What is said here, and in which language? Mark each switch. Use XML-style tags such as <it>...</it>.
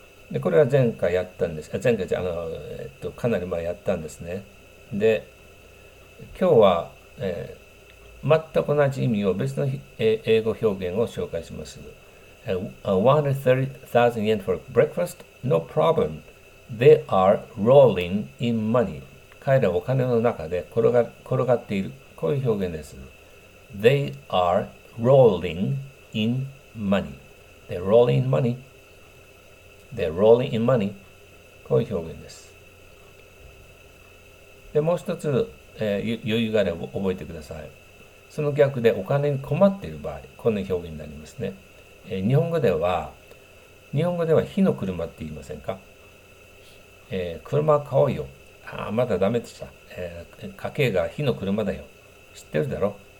<ja>で、これは前回やったんです。前回じゃ、かなり前やったんですね。で、今日は、全く同じ意味を別の英語表現を紹介します。</ja> <en>130,000 yen for breakfast? No problem. They are rolling in money.</en> <ja>彼らはお金の中で転がっている。こういう表現です。</ja> <en>They are rolling in money. They're rolling in money. They're rolling in money.</en> <ja>こういう表現です。で、もう一つ、余裕があれば覚えてください。その逆でお金に困っている場合、こんな表現になりますね。日本語では火の車って言いませんか？車買おうよ。ああ、まだダメでした。家計が火の車だよ。知ってるだろ？</ja>